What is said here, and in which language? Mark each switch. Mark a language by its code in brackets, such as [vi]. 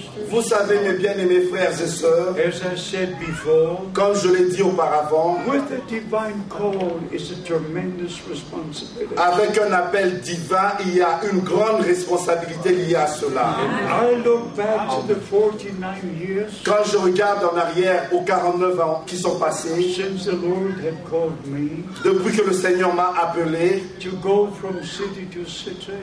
[fr] Vous savez, mes bien-aimés frères et sœurs, [en] as I said before, [fr] comme je l'ai dit auparavant, [en] with a divine call is a tremendous responsibility. [fr] Avec un appel divin, il y a une grande responsabilité liée à cela. [en] I look back to the 49 years, [fr] quand je regarde en arrière aux 49 ans qui sont passés, [en] since the Lord had called me, [fr] depuis que le Seigneur m'a appelé, [en] to go from city to city,